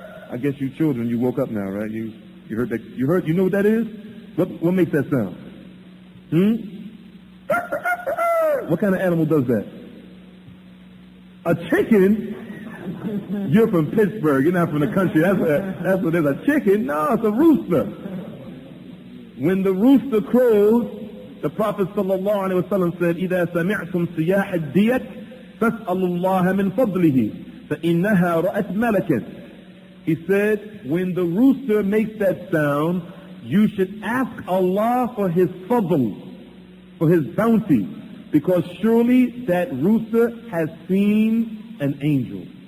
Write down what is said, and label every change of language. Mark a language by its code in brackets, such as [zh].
[en] I guess you children, you woke up now, right? You heard that, you know what that is? What makes that sound? What kind of animal does that? A chicken? You're from Pittsburgh, you're not from the country. That's what it is, a chicken? No, it's a rooster. When the rooster crows, the Prophet sallallahu alaihi wasallam said, [ar] إِذَا سَمِعْتُمْ سِيَاحَ الدِّيَتْ فَاسْأَلُ اللَّهَ مِنْ فَضْلِهِ فَإِنَّهَا رَأَتْ مَلَكًا. [en] He said, when the rooster makes that sound, you should ask Allah for His fadl, for His bounty, because surely that rooster has seen an angel.